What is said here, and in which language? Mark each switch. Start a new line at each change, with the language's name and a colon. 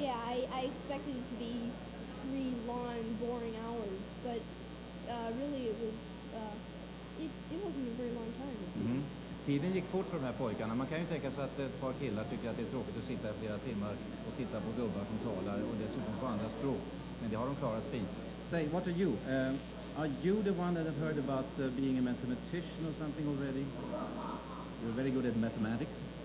English: Yeah, I expected it to be three long, boring hours, but really it was, it wasn't a very long time. Mm-hmm.
Swedish: Tiden gick fort för de här pojkarna. Man kan ju tänka sig att ett par killar tycker att det är tråkigt att sitta i flera timmar och titta på gubbar som talar och dessutom på andra språk. Men det har de klarat fint.
English: Say, what are you? Are you the one that have heard about being a mathematician or something already? You're very good at mathematics.